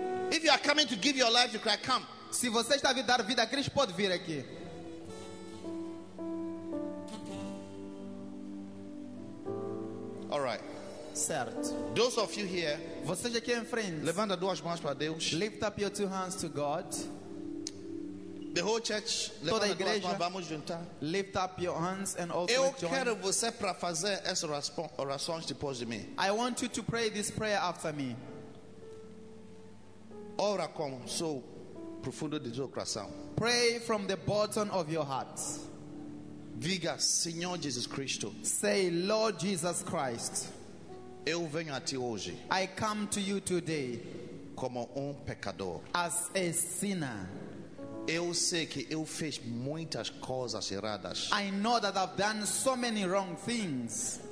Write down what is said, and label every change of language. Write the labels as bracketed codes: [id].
[en] If you are coming to give your life to Christ, come. [pt] Se você está vindo dar vida a Cristo, pode vir aqui. [en] All right. [pt] Certo. [en] Those of you here, [pt] vocês aqui em frente, levanta duas mãos para Deus. [en] Lift up your two hands to God. The whole church, [pt] toda a igreja, mãos, vamos juntar. [en] Lift up your hands and also [pt] eu [en] join. [pt] Quero você para fazer essa oração depois de mim. [en] I want you to pray this prayer after me. [pt] Ora com so profundo de seu coração. [en] Pray from the bottom of your heart. [pt] Diga, Senhor Jesus Cristo. [en] Say, Lord Jesus Christ. [pt] Eu venho a ti hoje. [en] I come to you today. [pt] Como pecador. [en] As a sinner. [pt] Eu sei que eu fiz muitas coisas erradas. [en] I know that I've done so many wrong things.